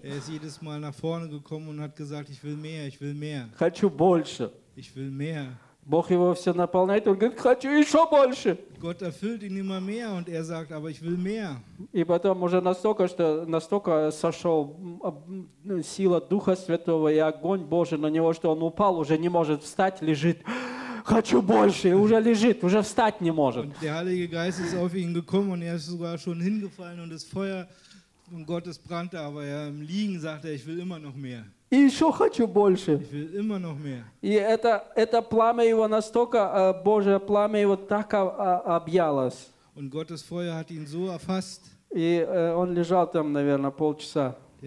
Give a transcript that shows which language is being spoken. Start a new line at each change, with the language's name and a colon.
German: Er ist jedes Mal nach vorne gekommen und hat gesagt, ich will mehr, ich will mehr.
Russian: Хочу больше.
German: Ich will mehr.
Russian: Бог его все наполняет, он говорит, хочу еще больше.
German: Gott erfüllt ihn immer mehr und er sagt, aber ich will mehr.
Russian: И потом уже настолько, что настолько сошел сила Духа Святого и огонь Божий на него, что он упал, уже не может встать, лежит. Хочу больше, уже лежит, уже встать не может.
German: Und der Heilige Geist ist auf ihn gekommen und er ist sogar schon hingefallen und das Feuer von Gottes brannte, aber er im Liegen sagte, ich will immer noch mehr.
Russian: И еще хочу больше. И это пламя его настолько, Божье пламя его так объялось. И он лежал там, наверное, полчаса.